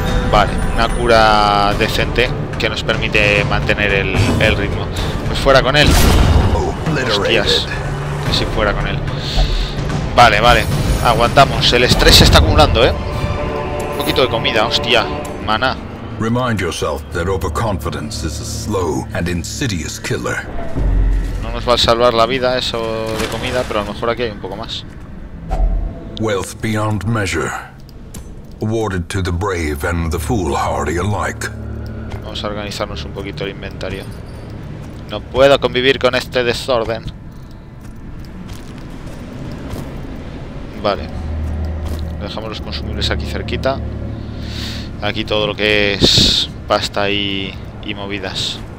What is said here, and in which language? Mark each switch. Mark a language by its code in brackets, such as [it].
[es] Vale, una cura decente que nos permite mantener el ritmo. Pues fuera con él. Hostias, que si fuera con él. Vale, vale, aguantamos. El estrés se está acumulando, ¿eh? Un poquito de comida, hostia, maná. [en] Remind yourself that overconfidence is a slow and insidious killer. [es] Nos va a salvar la vida eso de comida, pero a lo mejor aquí hay un poco más. [en] Wealth beyond measure, awarded to the brave and the foolhardy alike. [es] Vamos a organizarnos un poquito el inventario. No puedo convivir con este desorden. Vale, dejamos los consumibles aquí cerquita. Aquí todo lo que es pasta y movidas.